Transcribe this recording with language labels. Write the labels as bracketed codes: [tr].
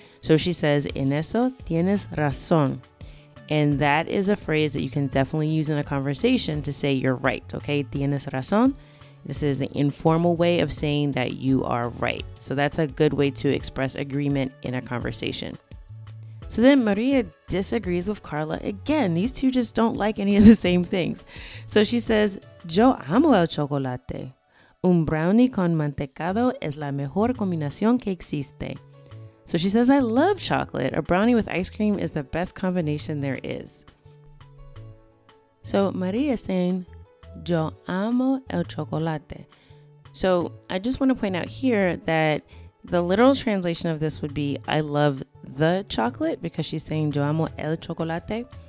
[en] So she says, [es] en eso tienes razón. [en] And that is a phrase that you can definitely use in a conversation to say you're right, okay? [es] Tienes razón. [en] This is the informal way of saying that you are right. So that's a good way to express agreement in a conversation. So then Maria disagrees with Carla again. These two just don't like any of the same things. So she says, [es] yo amo el chocolate. Un brownie con mantecado es la mejor combinación que existe. [en] So she says, I love chocolate. A brownie with ice cream is the best combination there is. So Maria is saying, [es] yo amo el chocolate. [en] So I just want to point out here that the literal translation of this would be, I love the chocolate, because she's saying, [es] yo amo el chocolate.